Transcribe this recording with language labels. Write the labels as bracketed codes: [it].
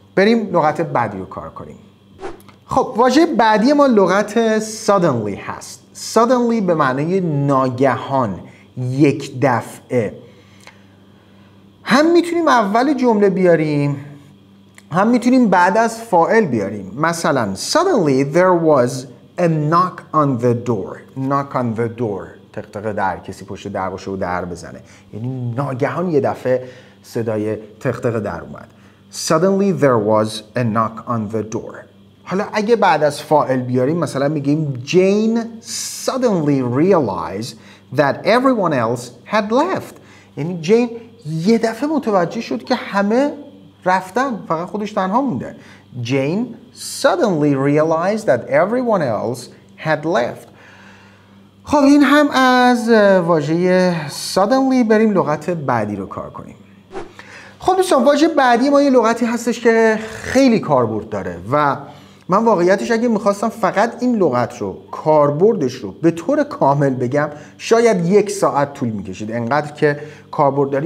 [fa] بریم لغت بعدی رو کار کنیم. خب واژه بعدی ما لغت suddenly هست. suddenly به معنی ناگهان، یک دفعه. هم میتونیم اول جمله بیاریم، هم میتونیم بعد از فاعل بیاریم. [en] مثلا suddenly there was a knock on the door. knock on the door، [fa] تق‌تق در، کسی پشت در باشه و در بزنه، یعنی ناگهان یه دفعه صدای تق‌تق در اومد. [en] suddenly there was a knock on the door. [fa] حالا اگه بعد از فاعل بیاریم، مثلا میگیم [en] Jane suddenly realized that everyone else had left. [fa] یعنی جین یه دفعه متوجه شد که همه رفتن، فقط خودش تنها مونده. [en] Jane suddenly realized that everyone else had left. [fa] خب این هم از واژه suddenly. بریم لغت بعدی رو کار کنیم. خب دوستان، واژه بعدی ما یه لغتی هستش که خیلی کاربرد داره و من واقعیتش اگه میخواستم فقط این لغت رو، کاربردش رو به طور کامل بگم، شاید یک ساعت طول میکشید، انقدر که کاربرد داری.